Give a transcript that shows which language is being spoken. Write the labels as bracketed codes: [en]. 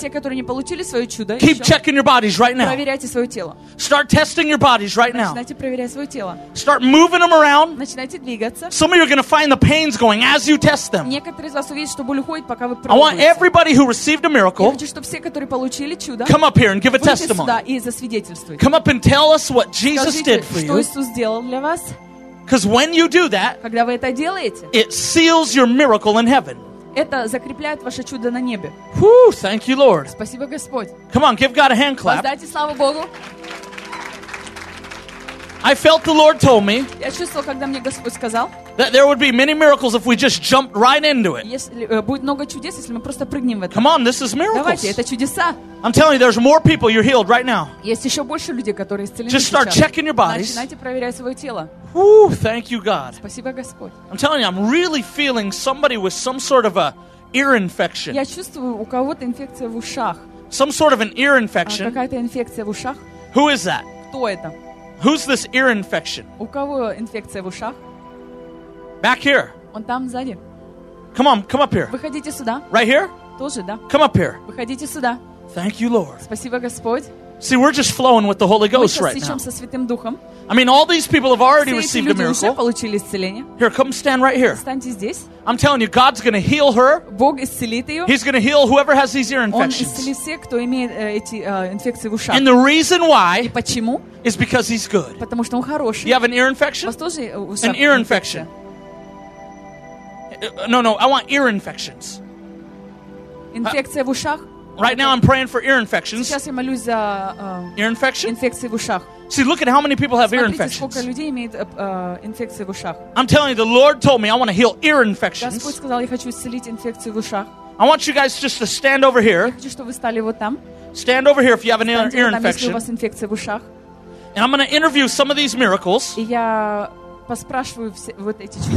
[ru] те, которые не получили свое чудо, [en] keep checking your bodies right now. [ru] Проверяйте свое тело. [en] Start testing your bodies right now. [ru] Начинайте проверять свое тело. [en] Start moving them around. [ru] Начинайте двигаться. [en] Some of you are going to find the pains going as you test them. [ru] Некоторые из вас увидят, что боль уходит, пока вы проверяете. [en] I want everybody who received a miracle, [ru] я хочу, чтобы все, которые получили чудо, [en] come up here and give a testimony. Come up and tell us what Jesus did for you. Because when you do that, [ru] когда вы это делаете, [en] it seals your miracle in heaven. [ru] Это закрепляет ваше чудо на небе. [en] Whew, thank you, Lord. [ru] Спасибо, Господь. [en] Come on, give God a hand clap. [ru] Воздайте славу Богу. [en] I felt the Lord told me, [ru] я чувствовал, когда мне Господь сказал, [en] that there would be many miracles if we just jumped right into it. [ru] Если, будет много чудес, если мы просто прыгнем в это. [en] Come on, this is miracles. [ru] Давайте, это чудеса. [en] I'm telling you, there's more people you're healed right now. [ru] Есть еще больше людей, которые исцелены. [en] Just start [ru] сейчас. [en] Checking your bodies. [ru] Начинайте проверять свое тело. [en] Whew, thank you, God. [ru] Спасибо, Господь. [en] I'm telling you, I'm really feeling somebody with some sort of a ear infection. [ru] Я чувствую, у кого-то инфекция в ушах. [en] Some sort of an ear infection. [ru] Какая-то инфекция в ушах. [en] Who is that? [ru] Кто это? [en] Who's this ear infection? [ru] У кого инфекция в ушах? [en] Back here. [ru] Он там сзади. [en] Come on, come up here. [ru] Выходите сюда. [en] Right here? [ru] Тоже, да. [en] Come up here. [ru] Выходите сюда. [en] Thank you, Lord. [ru] Спасибо, Господь. [en] See, we're just flowing with the Holy Ghost right now. [ru] Мы сейчас со Святым Духом. [en] I mean, all these people have already received a miracle. [ru] Все люди уже получили исцеление. [en] Here, come stand right here. [ru] Станьте здесь. [en] I'm telling you, God's going to heal her. [ru] Бог исцелит ее. [en] He's going to heal whoever has these ear infections. [ru] Он исцелит всех, кто имеет эти инфекции в ушах. [en] And the reason why? [ru] И почему? [en] Is because He's good. [ru] Потому что Он хороший. [en] You have an ear infection? [ru] У вас тоже ушах? [en] An ear infection. No, I want ear infections. [ru] Инфекция в ушах? [en] Right now I'm praying for ear infections. [ru] Сейчас я молюсь за [en] ear infection? [ru] Инфекции в ушах. [en] See, look at how many people have ear infections. [ru] Смотрите, сколько людей имеют инфекции в ушах. [en] I'm telling you, the Lord told me I want to heal ear infections. [ru] Господь сказал, я хочу исцелить инфекцию в ушах. [en] I want you guys just to stand over here. [ru] Я хочу, чтобы вы стали вот там. [en] Stand over here if you have an ear infection. [ru] У вас инфекция в ушах. [en] And I'm going to interview some of these miracles. [ru] Я поспрашиваю все вот эти чудеса.